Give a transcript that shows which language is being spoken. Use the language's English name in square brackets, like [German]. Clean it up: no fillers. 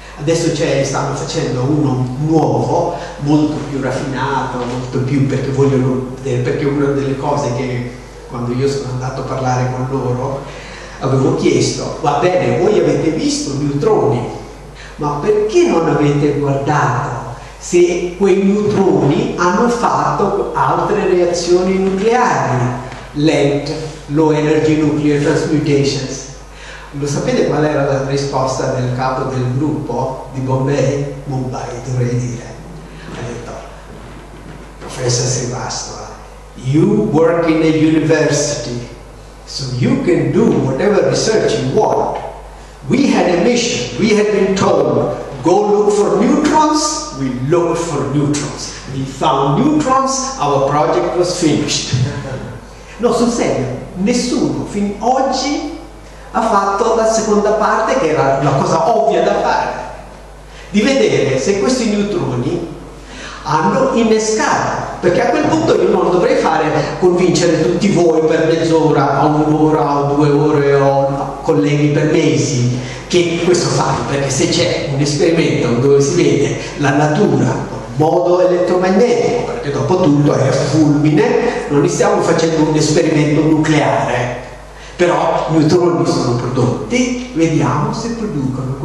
[Italian] Adesso stanno facendo uno nuovo, molto più raffinato, molto più, perché una delle cose che quando io sono andato a parlare con loro avevo chiesto: va bene, voi avete visto neutroni, ma perché non avete guardato se quei neutroni hanno fatto altre reazioni nucleari, LENT, Low Energy Nuclear Transmutations? Lo sapete qual era la risposta del capo del gruppo di Bombay? Mumbai, dovrei dire. Ha detto: [English] professor Srivastava, you work in a university, so you can do whatever research you want. We had a mission, we had been told, go look for neutrons, we looked for neutrons. We found neutrons, our project was finished. [Italian] No, sul serio, nessuno fin oggi ha fatto la seconda parte, che era una cosa ovvia da fare, di vedere se questi neutroni hanno innescato, perché a quel punto io non dovrei fare convincere tutti voi per mezz'ora o un'ora o due ore o colleghi per mesi che questo fanno, perché se c'è un esperimento dove si vede la natura con modo elettromagnetico, perché dopo tutto è fulmine, non stiamo facendo un esperimento nucleare, però i neutroni sono prodotti, vediamo se producono.